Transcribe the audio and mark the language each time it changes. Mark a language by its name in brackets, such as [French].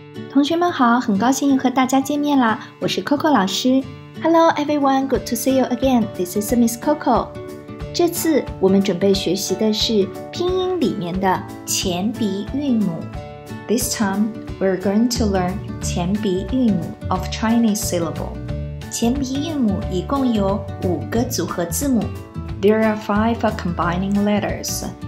[Chinese] 同学们好，很高兴又和大家见面啦，我是 Coco 老师。 [English] Hello everyone, good to see you again. This is Miss Coco. [Chinese] 这次我们准备学习的是拼音里面的前鼻韵母。 [English] This time, we're going to learn 前鼻韵母 of Chinese syllable. [Chinese] 前鼻韵母一共有五个组合字母。 [English] There are five combining letters.